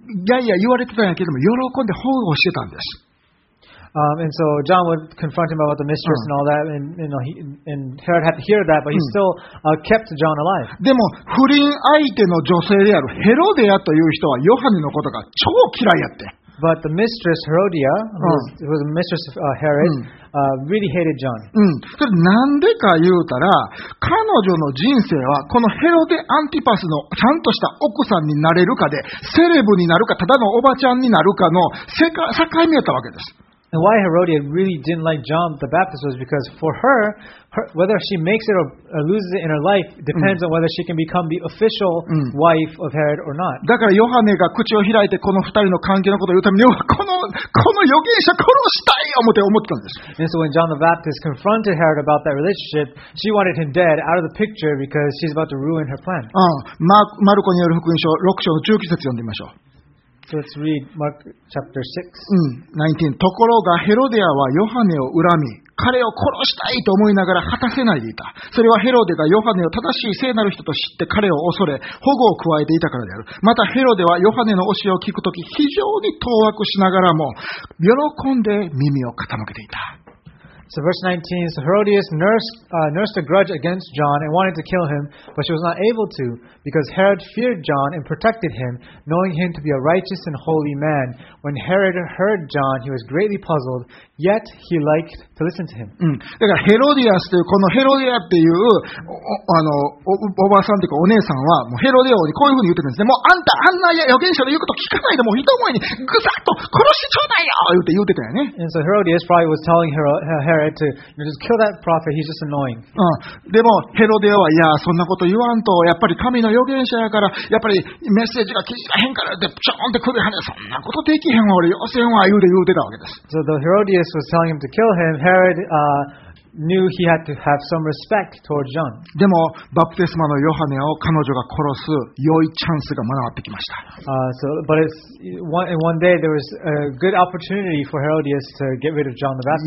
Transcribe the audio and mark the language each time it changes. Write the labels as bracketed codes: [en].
[ja] いやいや言われてたんやけども喜んで保護してたんです。 [en] And so John would confront him about the mistress and all that, and you know, he, and Herod had to hear that, but he still kept John alive. [ja] でも不倫相手の女性であるヘロデアという人はヨハネのことが超嫌いやって。 [en] But the mistress Herodia, who was the mistress of Herod, really hated John. [ja] なんでか言うたら、彼女の人生はこのヘロデ・アンティパスのちゃんとした奥さんになれるかで、セレブになるか、ただのおばちゃんになるかの境目やったわけです。 [en] And why Herodia really didn't like John the Baptist was because for her, whether she makes it or loses it in her life depends on whether she can become the official wife of Herod or not. [ja] だからヨハネが口を開いてこの二人の関係のことを言うためにこの預言者殺したい思ったんです。 [en] And so when John the Baptist confronted Herod about that relationship, she wanted him dead out of the picture because she's about to ruin her plan. [ja] マルコによる福音書6章の19節読んでみましょう。 [en] So let's read Mark chapter 6. 19. [ja] ところがヘロデアはヨハネを恨み、彼を殺したいと思いながら果たせないでいた。それはヘロデがヨハネを正しい聖なる人と知って彼を恐れ、保護を加えていたからである。またヘロデはヨハネの教えを聞くとき、非常に当惑しながらも、喜んで耳を傾けていた。 [en] So verse 19, so Herodias nursed a grudge against John and wanted to kill him, but she was not able to because Herod feared John and protected him, knowing him to be a righteous and holy man. When Herod heard John, he was greatly puzzled, yet he liked to listen to him. [ja] だからヘロディアスというこのヘロディアっていう おばさんというかお姉さんはもうヘロディアにこういうふうに言ってるんですね。もうあんたあんな預言者の言うこと聞かないでもう人前にぐさっと殺してちょうだいよ言ってたよね。 [en] And so Herodias probably was telling Herod to just kill that prophet. He's just annoying. [ja] でもヘロデはいやそんなこと言わんとやっぱり神の預言者やからやっぱりメッセージが聞いたへんからでちょんって首跳ねそんなことできへん俺よせんわ言うてたわけです。 [en] So the Herodias was telling him to kill him. Herod knew he had to have some respect towards John. [ja] でもバプテスマのヨハネを彼女が殺す良いチャンスが回ってきました。 [en] But it's one day there was a good opportunity for Herodias to get rid of John the Baptist.